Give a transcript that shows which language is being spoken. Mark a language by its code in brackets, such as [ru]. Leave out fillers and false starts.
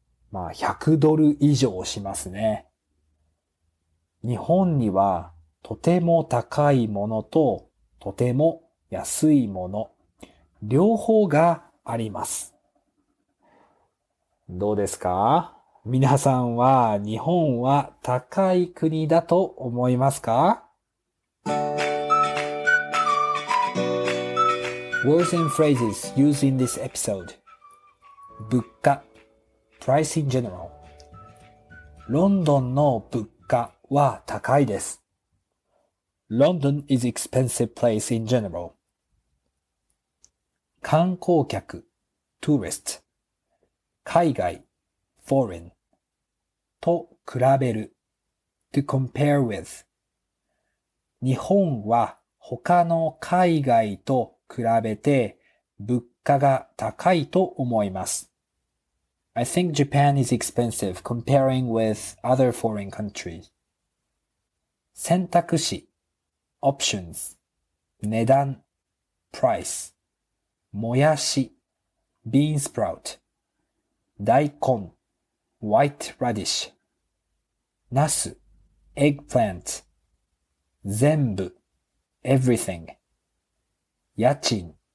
[ja] まあ、100ドル以上しますね。日本には、とても高いものと、とても安いもの、両方があります。どうですか？皆さんは日本は高い国だと思いますか？ [en] Words and phrases used in this episode. 物価 Price in general. [ja] ロンドンの物価は高いです。 [en] London is expensive place in general. [ja] 観光客 Tourist 海外 Foreign と比べる。 [en] to compare with. [ja] 日本は他の海外と比べて物価が高いと思います。 [en] I think Japan is expensive comparing with other foreign countries. [ja] 選択肢 options 値段 price もやし bean sprout 大根 white radish ナス、エッグプラント、全部、everything、家賃、